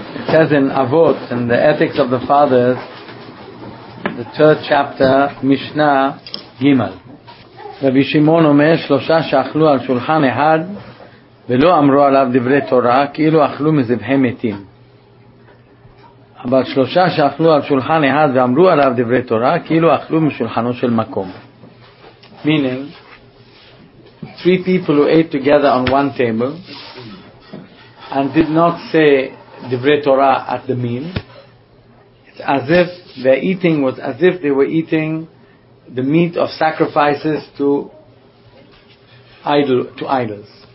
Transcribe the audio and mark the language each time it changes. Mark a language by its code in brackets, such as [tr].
[en] says in Avot, in the Ethics of the Fathers, the third chapter, Mishnah Gimel. [he] Rabbi Shimon omer, shlosha she'achlu al shulchan ehad, ולא אמרו עליו דברי תורה, כאילו אכלו מזבחי מתים. אבל שלושה שאכלו על שולחן אחד ואמרו עליו דברי תורה, כאילו אכלו משולחנו של מקום. [en] Meaning, three people who ate together on one table and did not say דברי תורה at the meal, it's as if their eating was as if they were eating the meat of sacrifices to idols.